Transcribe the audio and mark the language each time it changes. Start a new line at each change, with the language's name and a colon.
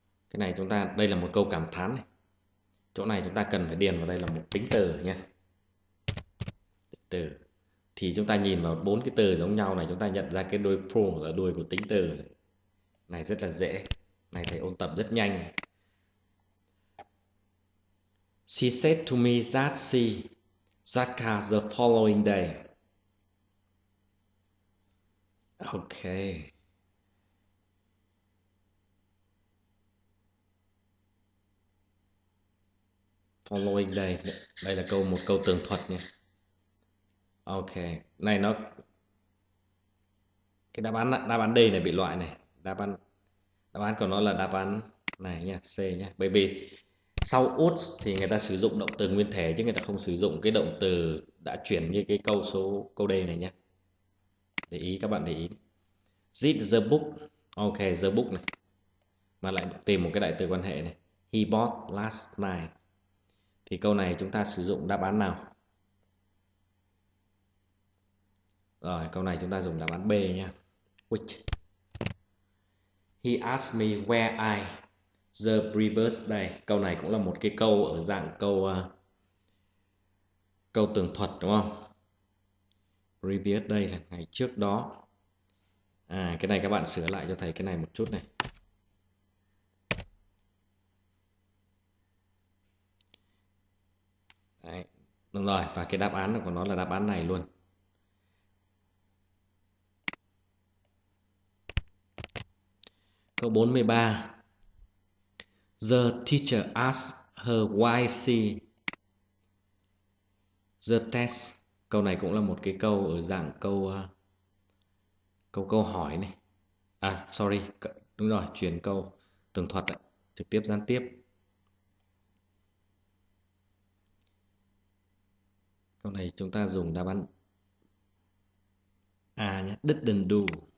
Vietnamese: Cái này chúng ta, đây là một câu cảm thán này. Chỗ này chúng ta cần phải điền vào đây là một tính từ nha. Từ. Thì chúng ta nhìn vào bốn cái từ giống nhau này, chúng ta nhận ra cái đuôi pro là đuôi của tính từ này. Này rất là dễ. Này thầy ôn tập rất nhanh.
English: She said to me that she got the following day. Ok.
Vietnamese: Following đây. Đây là câu một câu tường thuật nha. Ok. Này nó. Cái đáp án D này bị loại này. Đáp án của nó là đáp án này nha. C nha. Bởi vì sau would thì người ta sử dụng động từ nguyên thể chứ người ta không sử dụng cái động từ đã chuyển như cái câu số câu D này nha. Để ý các bạn để ý.
English: Read the book. Ok, the book
Vietnamese: này. Mà lại tìm một cái đại từ quan hệ này.
English: He bought last night.
Vietnamese: Thì câu này chúng ta sử dụng đáp án nào? Rồi, câu này chúng ta dùng đáp án B nha.
English: Which. He asked me where I the previous day.
Vietnamese: Câu này cũng là một cái câu ở dạng câu câu tường thuật đúng không? Previous day là ngày trước đó. À, cái này các bạn sửa lại cho thầy cái này một chút này. Đấy. Đúng rồi, và cái đáp án của nó là đáp án này luôn. Câu 43.
English: The teacher asked her why she the test.
Vietnamese: Câu này cũng là một cái câu ở dạng câu câu câu hỏi này. À sorry, đúng rồi, chuyển câu tường thuật đấy, trực tiếp gián tiếp. Câu này chúng ta dùng đáp án A nhé,
English: didn't do.